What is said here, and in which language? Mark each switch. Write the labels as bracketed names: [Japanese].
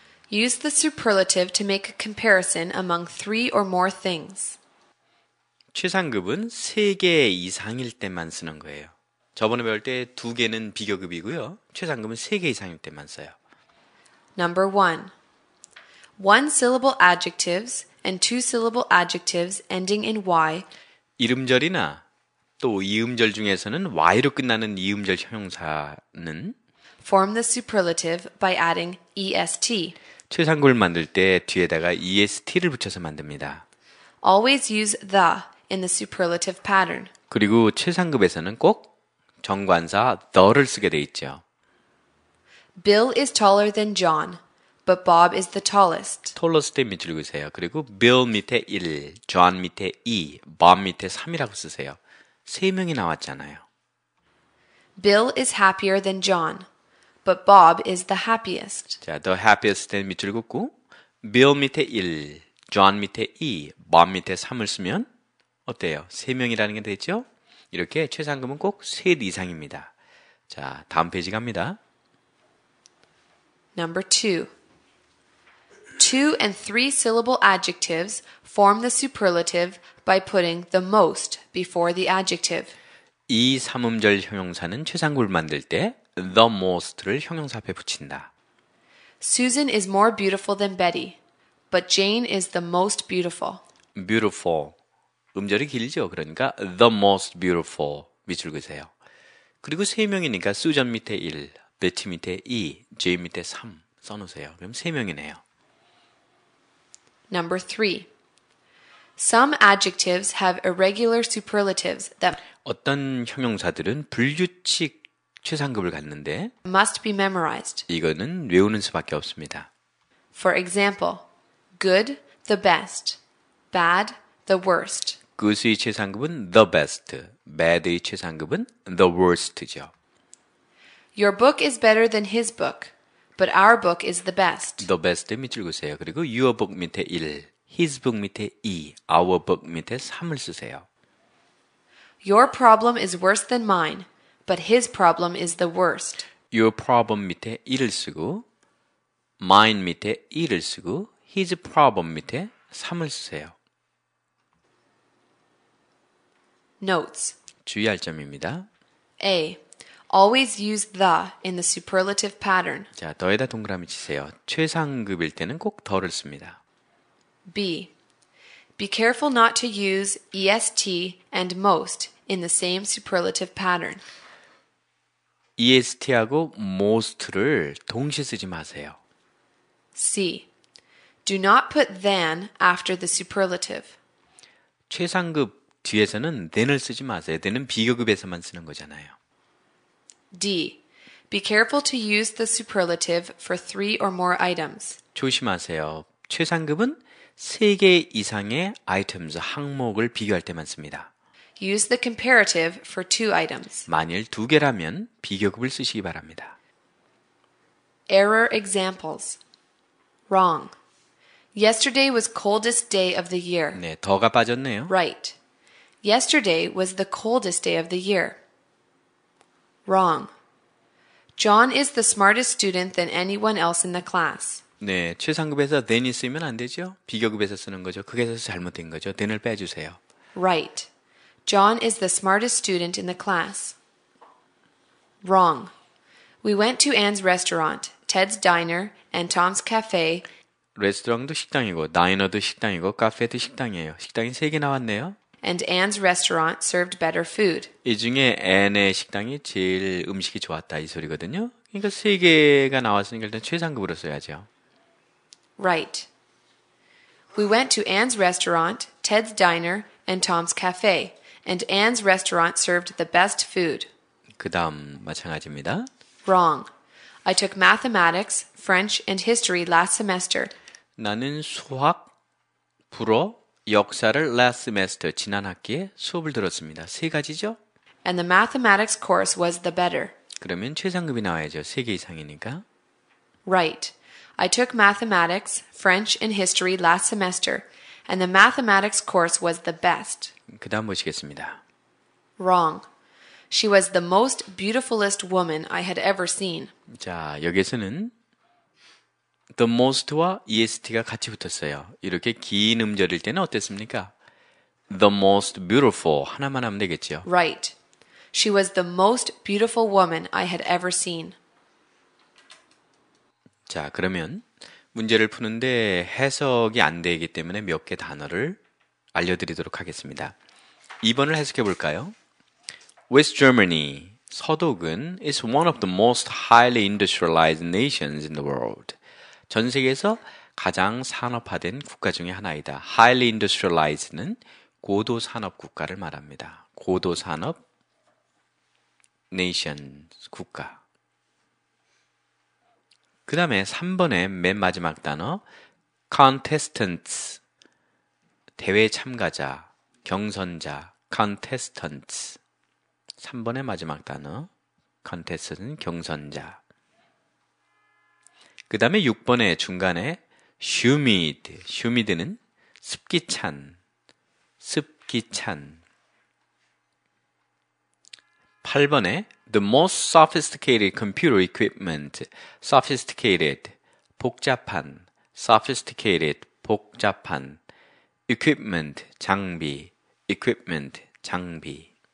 [English] Use the superlative to make a comparison among three or more things. [Korean] 최상급은 세개 이상일 때만 쓰는 거예요. 저번에 배울 때두 개는 비교급이고요. 최상급은 세개 이상일 때만 써요. [English] Number 1. One syllable adjectives and two syllable adjectives ending in y. [Korean] 이름절이나 또 이음절 중에서는 y로 끝나는 이음절 형용사는 [English] form the superlative by adding est. [Korean] 최상급을 만들 때 뒤에다가 est를 붙여서 만듭니다. [English] Always use the in the superlative pattern. [Korean] 그리고 최상급에서는 꼭 정관사 the를 쓰게 돼 있죠. [English] Bill is taller than John, but Bob is the tallest. [Korean] 톨러스테 밑줄 그으세요. 그리고 빌 밑에 1, 존 밑에 2, 밥 밑에 3이라고 쓰세요. 세 명이 나왔잖아요. [English] Bill is happier than John, but Bob is the happiest. [Korean] 자, [English] the happiest [Korean] 는 밑줄 긋고, 빌 밑에 1, 존 밑에 2, 밥 밑에 3을 쓰면 어때요? 세 명이라는 게 됐죠? 이렇게 최상급은 꼭셋 이상입니다. 자, 다음 페이지 갑니다. [English] Number 2. Two and three syllable adjectives form the superlative by putting the most before the adjective. [Korean] 이 삼음절 형용사는 최상급을 만들 때 [English] the most [Korean] 를 형용사 앞에 붙인다. [English] Susan is more beautiful than Betty, but Jane is the most beautiful. [Korean] beautiful 음절이 길죠. 그러니까 [English] the most beautiful [Korean] 밑줄 그으세요. 그리고 세 명이니까 수잔 밑에 1, 베티 밑에 2, 제인 밑에 3 써놓으세요. 그럼 세 명이네요. [English] Number 3. Some adjectives have irregular superlatives that [Korean] 어떤 형용사들은 불규칙 최상급을 갖는데 [English] must be memorized. [Korean] 이거는 외우는 수밖에 없습니다. [English] For example, good, the best, bad, the worst. [Korean] good의 최상급은 [English] the best, [Korean] bad의 최상급은 [English] the worst [Korean] 죠. [English] Your book is better than his book. But our book is the best. The best [Korean] 밑줄 그으세요. 그리고 [English] your book [Korean] 밑에 1, [English] his book [Korean] 밑에 2, [English] our book [Korean] 밑에 3을 쓰세요. [English] Your problem is worse than mine, but his problem is the worst. Your problem [Korean] 밑에 1을 쓰고, mine 밑에 2를 쓰고, [English] his problem [Korean] 밑에 3을 쓰세요. [English] Notes. [Korean] 주의할 점입니다. [English] A. Always use the in the superlative pattern. [Korean] 자, 더에다 동그라미 치세요. 최상급일 때는 꼭 더를 씁니다. [English] B. Be careful not to use est and most in the same superlative pattern. [Korean] EST하고 most를 동시에 쓰지 마세요. [English] C. Do not put than after the superlative. [Korean] 최상급 뒤에서는 than을 쓰지 마세요. than은 비교급에서만 쓰는 거잖아요. [English] D. Be careful to use the superlative for three or more items. [Korean] 조심하세요. 최상급은 세개 이상의 items, 항목을 비교할 때만 씁니다. [English] Use the comparative for two items. [Korean] 만일 두 개라면 비교급을 쓰시기 바랍니다. [English] Error examples. Wrong. Yesterday was coldest day of the year. [Korean] 네, 더가 빠졌네요. [English] Right. Yesterday was the coldest day of the year. Wrong. John is the smartest student than anyone else in the class. [Korean] 네, 최상급에서 than이 쓰면 안 되죠. 비교급에서 쓰는 거죠. 그게 잘못된 거죠. than을 빼주세요. [English] Right. John is the smartest student in the class. Wrong. We went to Anne's restaurant, Ted's diner, and Tom's cafe. [Korean] 레스토랑도 식당이고, 다이너도 식당이고, 카페도 식당이에요. 식당이 3개 나왔네요. [English] And Anne's restaurant served better food. [Korean] 이 중에 앤의 식당이 제일 음식이 좋았다 이 소리거든요. 그러니까 세 개가 나왔으니까 일단 최상급으로 써야죠. [English] Right. We went to Anne's restaurant, Ted's diner, and Tom's cafe. And Anne's restaurant served the best food. [Korean] 그다음 마찬가지입니다. [English] Wrong. I took mathematics, French, and history last semester. [Korean] 나는 수학, 불어, 역사를 [English] last semester [Korean] 지난 학기에 수업을 들었습니다. 세 가지죠? [English] And the mathematics course was the better. [Korean] 그러면 최상급이 나와야죠. 세개 이상이니까. [English] Right. I took mathematics, French, and history last semester, and the mathematics course was the best. [Korean] 그다음 보시겠습니다. [English] Wrong. She was the most beautifulest woman I had ever seen. [Korean] 자, 여기에서는 [English] the most [Korean] 와 est가 같이 붙었어요. 이렇게 긴 음절일 때는 어땠습니까? [English] The most beautiful [Korean] 하나만 하면 되겠죠. [English] Right. She was the most beautiful woman I had ever seen. [Korean] 자, 그러면 문제를 푸는데 해석이 안 되기 때문에 몇 개 단어를 알려드리도록 하겠습니다. 2번을 해석해 볼까요? [English] West Germany, [Korean] 서독은 [English] is one of the most highly industrialized nations in the world. [Korean] 전 세계에서 가장 산업화된 국가 중에 하나이다. [English] Highly industrialized [Korean] 는 고도산업 국가를 말합니다. 고도산업 nations, 국가. 그 다음에 3번의 맨 마지막 단어 contestants, 대회 참가자, 경선자, contestants. 3번의 마지막 단어, contestant은 경선자. 그 다음에 6번의 중간에 humid, humid는 습기찬, 습기찬. 8번에 [English] the most sophisticated computer equipment, sophisticated, [Korean] 복잡한, [English] sophisticated, 복잡한, equipment, [Korean] 장비, [English] equipment, 장비.